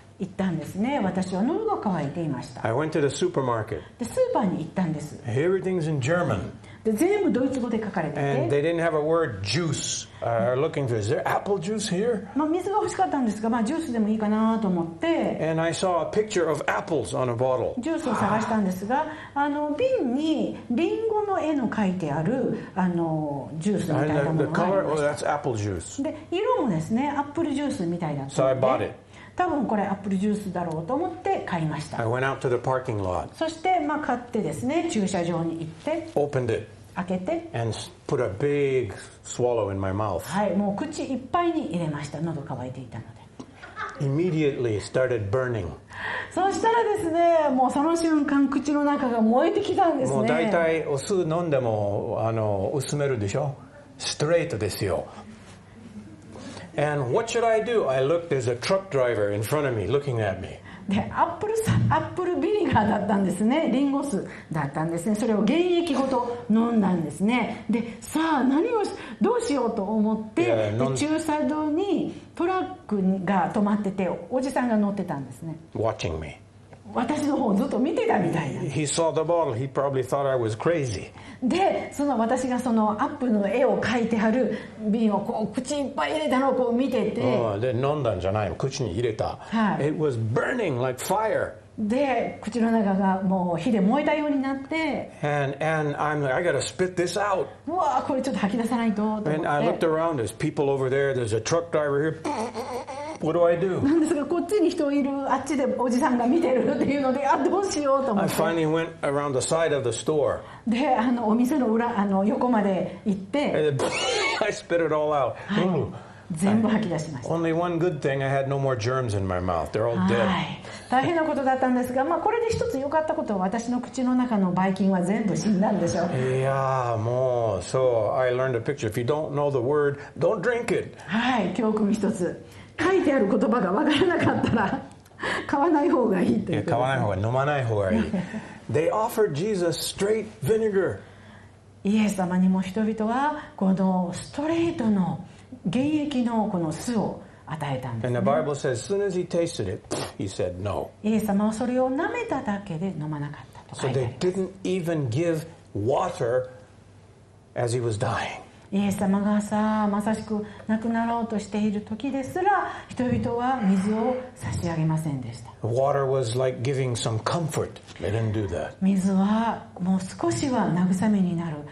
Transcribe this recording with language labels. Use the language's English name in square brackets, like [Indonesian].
[Japanese] 行ったんですね。私は喉が渇いていました。 [English] I went to the supermarket. [Japanese] で、スーパーに行ったんです。 [English] Everything's in German. [Japanese] で全部ドイツ語で書かれてて、 [English] And they didn't have a word juice. Looking for, is there apple juice here? [Japanese] まあ水が欲しかったんですが、まあジュースでもいいかなと思って。 [English] And I saw a picture of apples on a bottle. [Japanese] ジュースを探したんですが、あの瓶にリンゴの絵の描いてあるあのジュースみたいなものがあります。 [English] The color, oh, that's apple juice. [Japanese] で色もですね、アップルジュースみたいだったので。 [English] So I bought it. [Japanese] 多分これアップルジュースだろうと思って買いました。 [English] I went out to the parking lot. [Japanese] そしてまあ買ってですね、駐車場に行って、 [English] Opened it. [Japanese] 開けて、 [English] And put a big swallow in my mouth. [Japanese] はい、もう口いっぱいに入れました。喉乾いていたので。 [English] Immediately started burning. [Japanese] そしたらですね、もうその瞬間口の中が燃えてきたんですね。もう大体お酢飲んでもあの薄めるでしょ。ストレートですよ。 [English] And what should I do? I looked, there's a truck driver in front of me, looking at me. [Japanese] で、アップルビネガーだったんですね。リンゴ酢だったんですね。それを原液ごと飲んだんですね。で、さあ何をどうしようと思って、駐車場にトラックが止まってて、おじさんが乗ってたんですね。 [English] Watching me. [Japanese] 私の方をずっと見てたみたいな。 [English] He saw the bottle. He probably thought I was crazy. [Japanese] で、その私がそのアップルの絵を描いてある瓶をこう口いっぱい入れたのをこう見てて、で飲んだんじゃない、口に入れた。はい。 [English] It was burning like fire. [Japanese] で、口の中がもう火で燃えたようになって、 [English] And I'm like, I gotta spit this out. [Japanese] うわ、これちょっと吐き出さないとと思って。 [English] And I looked around. There's people over there. There's a truck driver here. What do I do? [Japanese] なんですか、こっちに人いる、あっちでおじさんが見てるっていうので、あ、どうしようと思って。 [English] I finally went around the side of the store. [Japanese] で、あの、お店の裏、あの、横まで行って。 [English] And then, I spit it all out. [Japanese] 全部吐き出しました。 [English] Only one good thing, I had no more germs in my mouth. They're all dead. [Japanese] 大変なことだったんですが、まあ、これで一つ良かったことは、私の口の中のバイ菌は全部死んだんでしょう。いやー、もう、 [English] so I learned a picture. If you don't know the word, don't drink it. [Japanese] はい、教訓一つ。書いてある言葉が分からなかったら買わない方がいいって。買わない方が、飲まない方がいい。 [English] They offered Jesus straight vinegar. [Japanese] イエス様にも人々はこのストレートの原液のこの酢を与えたんですね。 [English] And the Bible says, as soon as he tasted it, he said no. [Japanese] イエス様はそれを舐めただけで飲まなかったと書いてあります。 [English] So they didn't even give water as he was dying. [Japanese] イエス様がさ、まさしく亡くなろうとしている時ですら、人々は水を差し上げませんでした。 [English] Water was like giving some comfort. They didn't do that. [Japanese] 水はもう少しは慰めになる。